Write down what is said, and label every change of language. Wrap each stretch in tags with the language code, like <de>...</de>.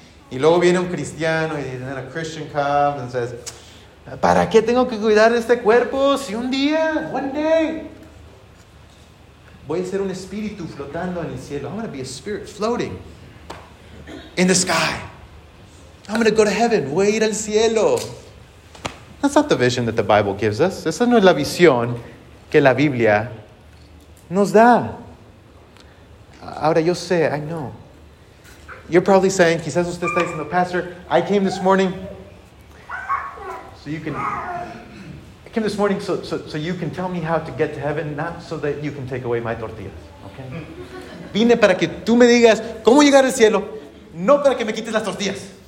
<es>Y luego viene un cristiano y</es> <en>then a Christian comes and says,</en> <es>¿para qué tengo que cuidar de este cuerpo si un día,</es> <en>one day,</en> <es>voy a ser un espíritu flotando en el cielo?</es> <en>I'm going to be a spirit floating in the sky. I'm going to go to heaven.</en> <es>Voy a ir al cielo.</es> <en>That's not the vision that the Bible gives us.</en> <es>Esa no es la visión que la Biblia nos da. Ahora yo sé,</es> <en>I know. You're probably saying,</en> <es>quizás usted está diciendo,</es> <en>Pastor, I came this morning so you can, I came this morning so you can tell me how to get to heaven, not so that you can take away my tortillas, okay?</en> <es>Vine para que tú me digas cómo llegar al cielo, no para que me quites las tortillas.</es>